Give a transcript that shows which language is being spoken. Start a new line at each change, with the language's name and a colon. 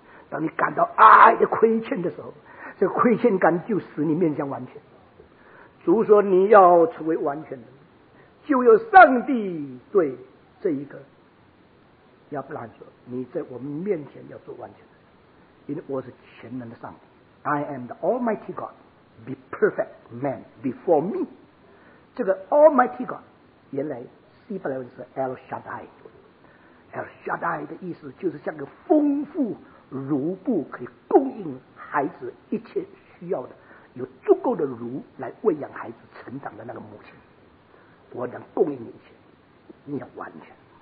Chinese: 当你感到爱的亏欠的时候，这亏欠感就使你面向完全。主说你要成为完全人，就有上帝对这一个亚伯拉罕说：“你在我们面前要做完全的，因为我是全能的上帝。
English: I am the Almighty God. Be perfect man before me.”
Chinese: 这个 Almighty God 原来希伯来文是 El Shaddai。 El Shaddai 的意思就是像个丰富如布，可以供应孩子一切需要的有足够的乳来喂养孩子成长的那个母亲，我能供应你一些，你要完全。